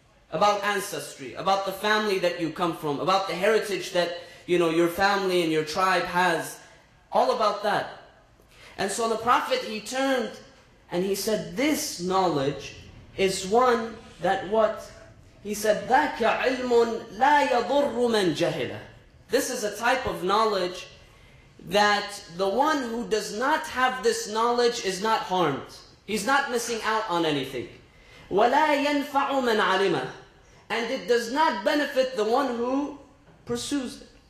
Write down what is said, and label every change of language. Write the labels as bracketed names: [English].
[English] About ancestry, about the family that you come from, about the heritage that, you know, your family and your tribe has. All about that. And so the Prophet, he turned and he said, this knowledge is one that what? He said, [Arabic] ذَاكَ عِلْمٌ لَا يَضُرُّ مَنْ جَهِلَ. [English] This is a type of knowledge that the one who does not have this knowledge is not harmed. He's not missing out on anything. [Arabic] وَلَا يَنْفَعُ مَنْ عَلِمَ. [English] And it does not benefit the one who pursues it.